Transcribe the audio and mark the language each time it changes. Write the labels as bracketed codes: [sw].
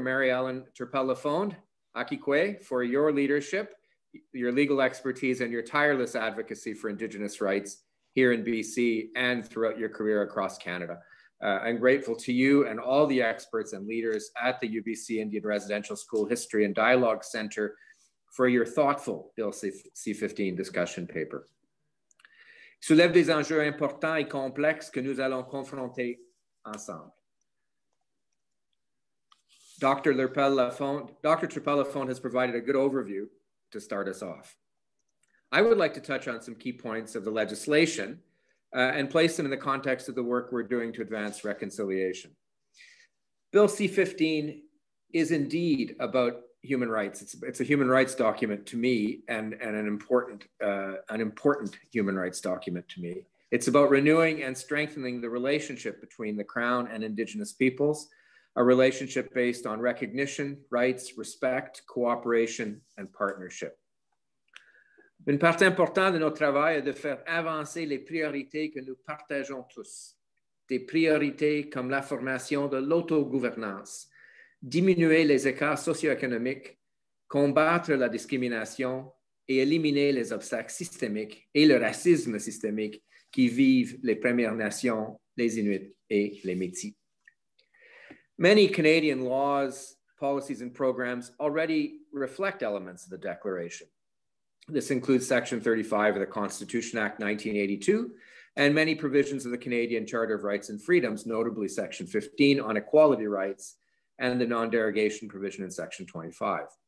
[en] Mary Ellen Turpel-Lafond, Akikwe, for your leadership, your legal expertise, and your tireless advocacy for Indigenous rights here in BC and throughout your career across Canada. I'm grateful to you and all the experts and leaders at the UBC Indian Residential School History and Dialogue Center for your thoughtful Bill C-15 discussion paper. [fr] Soulève des enjeux importants et complexes que nous allons confronter ensemble. [en] Dr. Turpel-Lafond has provided a good overview to start us off. I would like to touch on some key points of the legislation and place them in the context of the work we're doing to advance reconciliation. Bill C-15 is indeed about human rights. It's a human rights document to me and an important human rights document to me. It's about renewing and strengthening the relationship between the Crown and Indigenous peoples, a relationship based on recognition, rights, respect, cooperation, and partnership. [fr] Une partie importante de notre travail est de faire avancer les priorités que nous partageons tous. Des priorités comme la formation de l'autogouvernance, diminuer les écarts socio-économiques, combattre la discrimination et éliminer les obstacles systémiques et le racisme systémique qui vivent les Premières Nations, les Inuits et les Métis. [en] Many Canadian laws, policies, and programs already reflect elements of the Declaration. This includes Section 35 of the Constitution Act 1982, and many provisions of the Canadian Charter of Rights and Freedoms, notably Section 15 on equality rights and the non-derogation provision in Section 25.